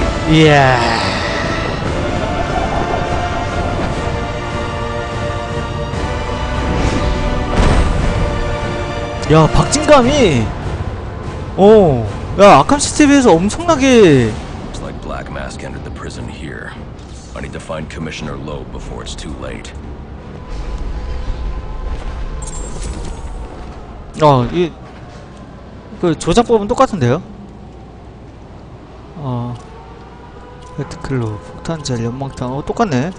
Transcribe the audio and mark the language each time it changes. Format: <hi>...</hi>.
<ko>예. 야, 박진감이. 오. 야, 아캄시티에서 엄청나게.</ko> <en>It's like Black Mask entered the prison here. I need to find Commissioner Loeb before it's too late.</en> <ko>아, 이 그 조작법은 똑같은데요? 헤드클로, 폭탄젤, 연막탄, 똑같네.</ko>